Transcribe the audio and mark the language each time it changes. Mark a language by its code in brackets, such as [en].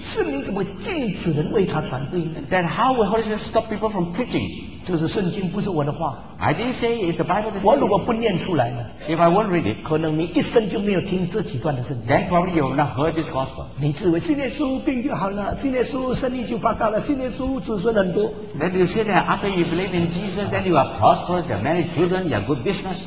[zh] 圣灵怎么会禁止人为他传福音 [en] Then how would Holy Spirit stop people from preaching? [zh] 这是圣经不是我的话 [en] I didn't say it's the Bible that's [zh] 我如果不念出来呢 [en] If I won't read it [zh] 可能你一生就没有听这几段的圣经 [en] Then probably you will not heard this gospel [zh] 你自为信耶稣病就好了信耶稣生意就发达了信耶稣子孙很多 [en] Then you say that after you believe in Jesus then you are prosperous you have many children you have good business